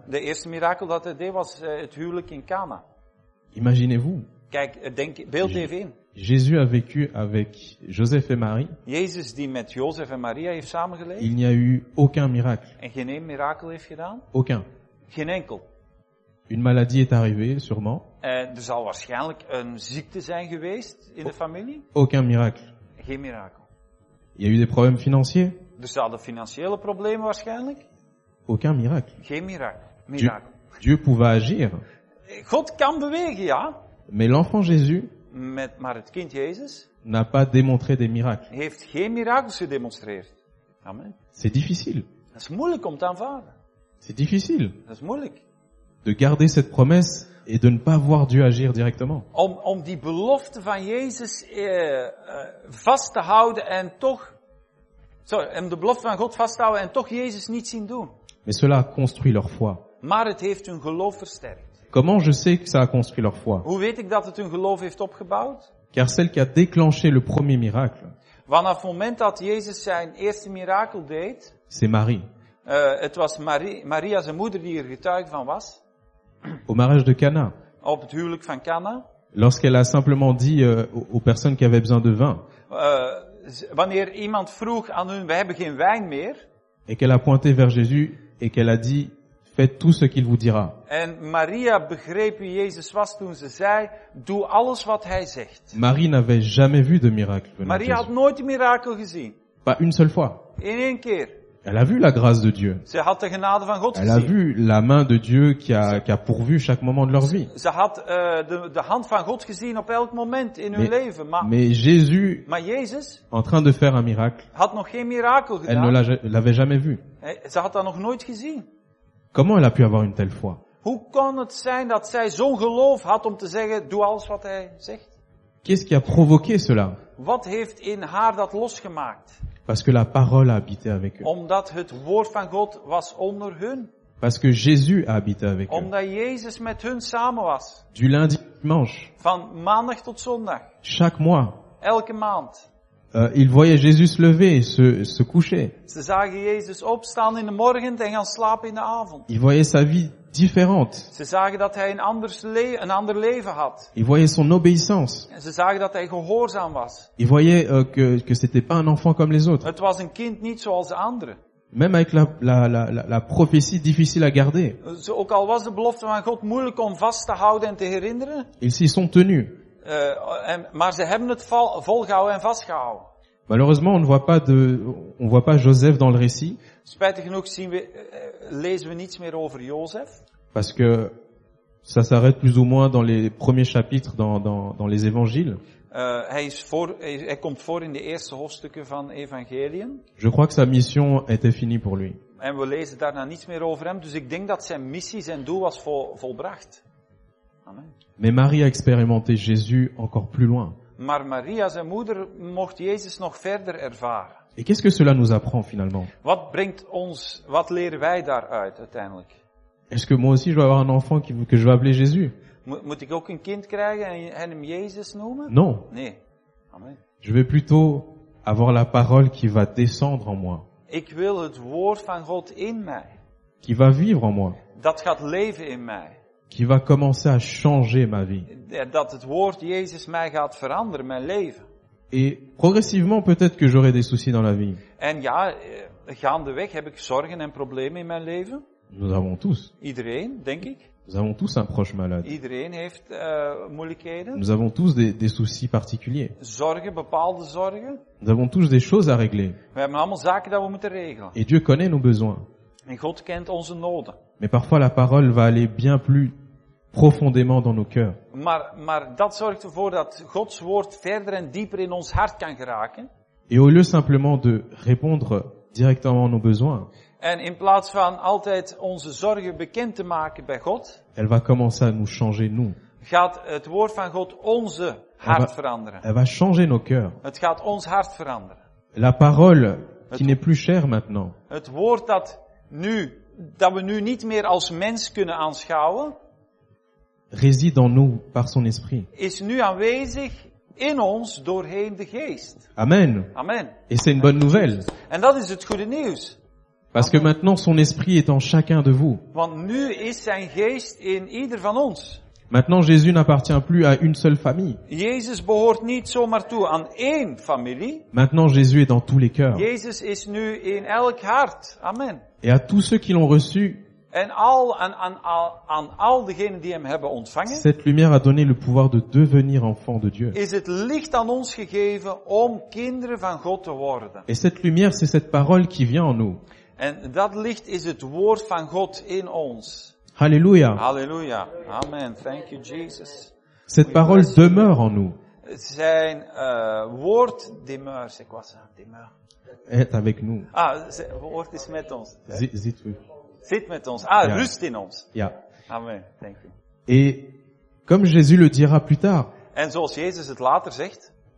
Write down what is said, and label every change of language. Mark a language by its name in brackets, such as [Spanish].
[Dutch] De eerste miracle dat hij deed was het huwelijk in Cana. [French] Imaginez-vous. [Dutch] Kijk, beeld even in. [French] Jésus a vécu avec Joseph et Marie. [Dutch] Jezus die met Jozef en Maria heeft samengeleefd. [French] Il n'y a eu aucun miracle. [Dutch] En geen één mirakel heeft gedaan. [French] Aucun. [Dutch] Geen enkel. [French] Une maladie est arrivée, sûrement. [Dutch] Er zal waarschijnlijk een ziekte zijn geweest in de familie. [French] Aucun miracle. [Dutch] Geen mirakel. [French] Il y a eu des problèmes financiers. [Dutch] Er zouden financiële problemen waarschijnlijk. [French] Aucun miracle. [Dutch] Geen miracle. [French] Dieu pouvait agir. [Dutch] God kan bewegen, ja. [French] Mais l'enfant Jésus [Dutch] maar het kind Jezus [French] n'a pas démontré des miracles. [Dutch] Heeft geen miracles gedemonstreerd. Amen. [French] C'est difficile. [Dutch] Dat is moeilijk om te aanvaarden. [French] C'est difficile. [Dutch] Dat is moeilijk. [French] De garder cette promesse et de ne pas voir Dieu agir directement. [Dutch] Om die belofte van Jezus vast te houden en toch om de belofte van God vast te houden en toch Jezus niet zien doen. [French] Mais cela a construit leur foi. [Dutch] Maar het heeft hun geloof versterkt. [French] Comment je sais que ça a construit leur foi? [Dutch] Hoe weet ik dat het hun geloof heeft opgebouwd? [French] Car celle qui a déclenché le premier miracle. [Dutch] Vanaf het moment dat Jezus zijn eerste mirakel deed. [French] C'est Marie. [Dutch] Het was Maria zijn moeder die er getuige van was. [French] Au mariage de Cana. [Dutch] Op het huwelijk van Cana. [French] Lorsqu'elle a simplement dit aux personnes qui avaient besoin de vin. [Dutch] Wanneer iemand vroeg aan hun, we hebben geen wijn meer. [French] Et qu'elle a pointé vers Jésus et qu'elle a dit. Faites tout ce qu'il vous dira. [Dutch] En Maria begreep wie Jezus was toen ze zei, doe alles wat hij zegt. [French] Marie n'avait jamais vu de miracle. [Dutch] Maria had nooit een mirakel gezien. [French] Pas une seule fois. [Dutch] In één keer. [French] Elle a vu la grâce de Dieu. [Dutch] Ze had de genade van God [French] Elle [Dutch] gezien. [French] A vu la main de Dieu qui a pourvu chaque moment de leur vie. [Dutch] Ze had de hand van God gezien op elk moment in hun leven. [French] Mais Jésus, [Dutch] maar Jezus, [French] en train de faire un miracle, [Dutch] had nog geen mirakel gedaan. [French] Elle ne l'avait jamais vu. [Dutch] Ze had dat nog nooit gezien. [French] Comment elle a pu avoir une telle foi? [Dutch] Hoe kon het zijn dat zij zo'n geloof had om te zeggen, doe alles wat hij zegt? [French] Qu'est-ce qui a provoqué cela? [Dutch] Wat heeft in haar dat losgemaakt? [French] Parce que la parole a habité avec eux. [Dutch] Omdat het woord van God was onder hun. [French] Parce que Jésus a habité avec eux. [Dutch] Omdat Jezus met hun samen was. [French] Du lundi au dimanche. [Dutch] Van maandag tot zondag. [French] Chaque mois. [Dutch] Elke maand. [French] Il voyait Jésus se lever et se coucher. [Dutch] Ze zagen Jezus opstaan in de morgen en gaan slapen in de avond. [French] Il voyait sa vie différente. [Dutch] Ze zagen dat hij een ander leven had. [French] Il voyait son obéissance. [Dutch] Ze zagen dat hij gehoorzaam was. [French] Il voyait que c'était pas un enfant comme les autres. [Dutch] Het was een kind niet zoals de anderen. [French] Même avec la prophétie difficile à garder. [Dutch] Ook al was de belofte van God moeilijk om vast te houden en te herinneren. [French] Ils s'y sont tenus. [Dutch] Maar ze hebben het volgehouden en vastgehouden. [French] Malheureusement, on voit pas Joseph dans le récit. [Dutch] Spijtig genoeg lezen we niets meer over Jozef. [French] Parce que ça s'arrête plus ou moins dans les premiers chapitres dans les évangiles. [Dutch] Hij komt voor in de eerste hoofdstukken van Evangelie. [French] Je crois que sa mission était finie pour lui. [Dutch] En we lezen daarna niets meer over hem, dus ik denk dat zijn missie, zijn doel was volbracht. [French] Mais Marie a expérimenté Jésus encore plus loin. [Dutch] Maar Maria, zijn moeder, mocht Jezus nog verder ervaren. [French] Et qu'est-ce que cela nous apprend finalement? [Dutch] Wat leren wij daaruit uiteindelijk? [French] Est-ce que moi aussi je vais avoir un enfant que je vais appeler Jésus? [Dutch] Moet ik ook een kind krijgen en hem Jezus noemen? [French] Non. [Dutch] Nee. Amen. [French] Je vais plutôt avoir la parole qui va descendre en moi. [Dutch] Ik wil het woord van God in mij. [French] Qui va vivre en moi. [Dutch] Dat gaat leven in mij. [French] qui va commencer à changer ma vie. [Dutch] Dat het woord Jezus mij gaat veranderen, mijn leven. [French] Et progressivement, peut-être que j'aurai des soucis dans la vie. [Dutch] En ja, gaandeweg heb ik zorgen en problemen in mijn leven. [French] Nous avons tous. [Dutch] Iedereen, denk ik. [French] Nous avons tous un proche malade. [Dutch] Iedereen heeft moeilijkheden. [French] Nous avons tous des soucis particuliers. [Dutch] Zorgen, bepaalde zorgen. [French] Nous avons tous des choses à régler. [Dutch] We hebben allemaal zaken dat we moeten regelen. [French] Et Dieu connaît nos besoins. [Dutch] En God kent onze noden. [French] Mais parfois la parole va aller bien plus profondément dans nos cœurs. [Dutch] Maar dat zorgt ervoor dat Gods woord verder en dieper in ons hart kan geraken. [French] Et au lieu simplement de répondre directement à nos besoins. [Dutch] En in plaats van altijd onze zorgen bekend te maken bij God. [French] Elle va commencer à nous changer nous. [Dutch] Gaat het woord van God onze hart veranderen. [French] Elle va changer nos cœurs. [Dutch] Het gaat ons hart veranderen. [French] La parole qui n'est plus chère maintenant. [Dutch] Het woord dat we nu niet meer als mens kunnen aanschouwen. [French] Réside en nous par son esprit. [Dutch] Is nu aanwezig in ons doorheen de geest. Amen. Amen. [French] Et c'est une bonne nouvelle. [Dutch] En dat is het goede nieuws. [French] Parce que maintenant son esprit est en chacun de vous. [Dutch] Want nu is zijn geest in ieder van ons. [French] Maintenant Jésus n'appartient plus à une seule famille. [Dutch] Jezus behoort niet zomaar toe aan één familie. [French] Maintenant Jésus est dans tous les cœurs. [Dutch] Jezus is nu in elk hart. Amen. [French] Et à tous ceux qui l'ont reçu. [Dutch] En al aan al degenen die hem hebben ontvangen. [French] Cette lumière a donné le pouvoir de devenir enfant de Dieu. [Dutch] Is het licht aan ons gegeven om kinderen van God te worden. [French] Et cette lumière c'est cette parole qui vient en nous. [Dutch] En dat licht is het woord van God in ons. Halleluja. [English] Halleluja. Amen. Thank you, Jesus. [French] Cette parole demeure en nous. [Dutch] Zijn woord [French] demeure. C'est quoi ça? Demeure. Est avec nous. [Dutch] Ah, het woord is met ons. Zit u. Zit met ons. Ah, yeah. Rust in ons. Ja. [English] Yeah. Amen. Thank you. [French] Et comme Jésus le dira plus tard. [Dutch] En zoals Jezus het later zegt.